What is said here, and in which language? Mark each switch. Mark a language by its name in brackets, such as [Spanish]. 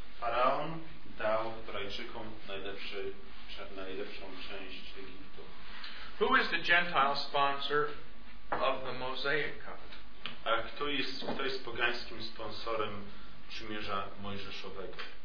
[Polish] Faraon dał Hebrajczykom najlepszą część Egiptu. [English] Who is the Gentile sponsor of the Mosaic covenant? [Polish] A kto jest pogańskim sponsorem przymierza Mojżeszowego?